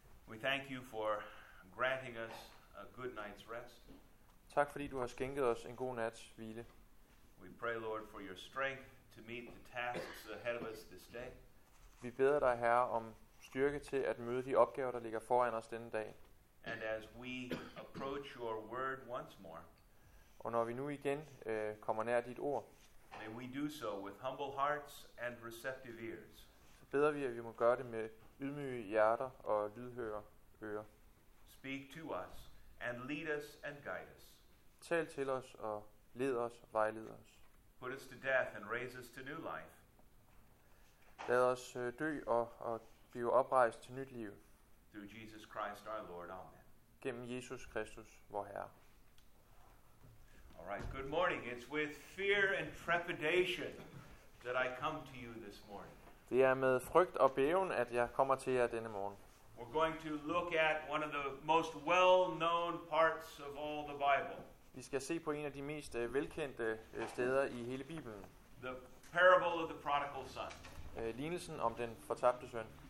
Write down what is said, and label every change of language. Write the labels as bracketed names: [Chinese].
[English] We thank you for granting us a good night's rest. [Danish] Tak fordi du har skænket os en god nats hvile. [English] We pray, Lord, for your strength to meet the tasks ahead of us this day. [Danish] Vi beder dig, Herre, om styrke til at møde de opgaver, der ligger foran os denne dag. [English] And as we approach your word once more. [Danish] Og når vi nu igen kommer nær dit ord. [English] May we do so with humble hearts and receptive ears. [Danish] Så beder vi, at vi må gøre det med ydmyge hjerter og lydhøre ører. [English] Speak to us and lead us and guide us. [Danish] Tal til os og led os, vejled os. [English] Put us to death and raise us to new life. [Danish] Lad os dø og blive oprejst til nyt liv. [English] Through Jesus Christ our Lord. Amen. [Danish] Gennem Jesus Kristus, vor Herre. [English] All right. Good morning. It's with fear and trepidation that I come to you this morning. [Danish] Det er med frygt og bæven, at jeg kommer til jer denne morgen. [English] We're going to look at one of the most well-known parts of all the Bible. [Danish] Vi skal se på en af de mest velkendte steder i hele Bibelen. [English] The parable of the prodigal son. [Danish] Lignelsen om den fortabte søn.